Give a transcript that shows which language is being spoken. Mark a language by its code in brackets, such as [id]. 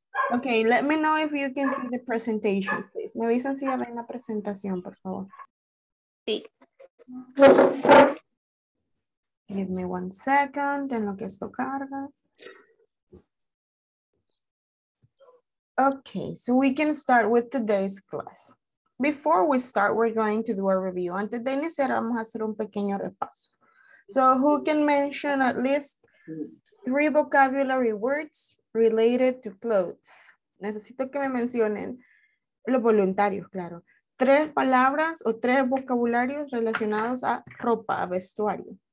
[en] Okay, let me know if you can see the presentation, please. [es] Me avisan si ya ven la presentación, por favor. Sí. [en] Give me one second, [es] en lo que esto carga. [en] Okay, so we can start with today's class. Before we start, we're going to do a review. [es] Antes de iniciar, vamos a hacer un pequeño repaso. [en] So who can mention at least three vocabulary words related to clothes? [es] Necesito que me mencionen los voluntarios, claro. Tres palabras o tres vocabularios relacionados a ropa, a vestuario.